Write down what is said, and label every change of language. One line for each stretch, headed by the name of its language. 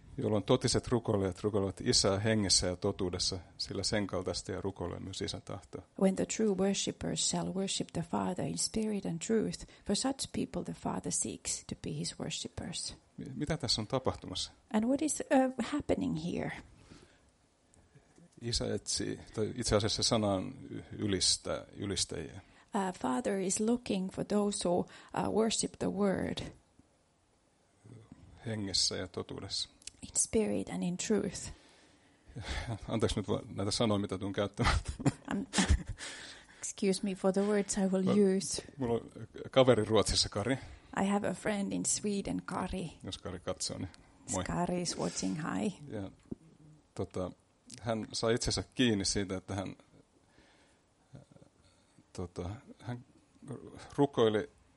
Finnish: Jolloin totiset rukoilijat rukoilevat Isää hengessä ja totuudessa, sillä sen kaltaista ja rukoilee myös Isän tahtoa.
English: When the true worshippers shall worship the Father in spirit and truth, for such people the Father seeks to be his worshippers.
Finnish: Mitä tässä on tapahtumassa?
English: And what is happening here?
Finnish: Isä etsii, tai itse asiassa sana on ylistäjiä.
English: Father is looking for those who worship the word.
Finnish: Hengessä ja totuudessa.
English: In spirit and in truth.
Finnish: Anteeksi nyt näitä sanoja, mitä tuun käyttämään.
English: Excuse me for the words I will use.
Finnish: Mulla on kaveri Ruotsissa, Kari.
English: I have a friend in Sweden, Kari.
Finnish: Jos Kari katsoo, niin moi.
English: Kari is watching, hi.
Finnish: Ja, hän sai itsensä kiinni siitä, että hän rukoili.